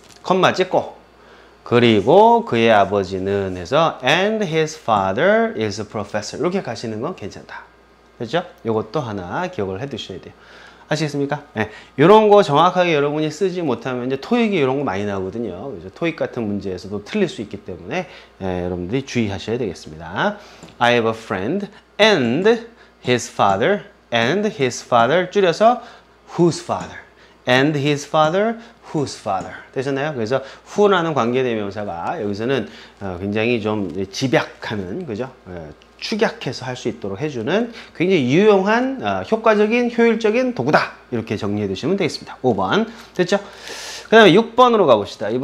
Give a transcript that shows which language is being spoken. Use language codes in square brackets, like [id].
[ko] 콤마 찍고. 그리고 그의 아버지는 해서 [en] and his father is a professor. [ko] 이렇게 가시는 건 괜찮다. 그렇죠? 이것도 하나 기억을 해 두셔야 돼요. 아시겠습니까? 네. 이런 거 정확하게 여러분이 쓰지 못하면 이제 토익이 이런 거 많이 나오거든요. 그래서 토익 같은 문제에서도 틀릴 수 있기 때문에 여러분들이 주의하셔야 되겠습니다. [en] I have a friend and his father [ko] 줄여서 [en] whose father and his father whose father [ko] 되셨나요? 그래서 who라는 관계대명사가 여기서는 굉장히 좀 집약하는, 그죠? 축약해서 할수 있도록 해주는 굉장히 유용한, 효과적인, 효율적인 도구다. 이렇게 정리해 두시면 되겠습니다. 5번. 됐죠? 그 다음에 6번으로 가봅시다.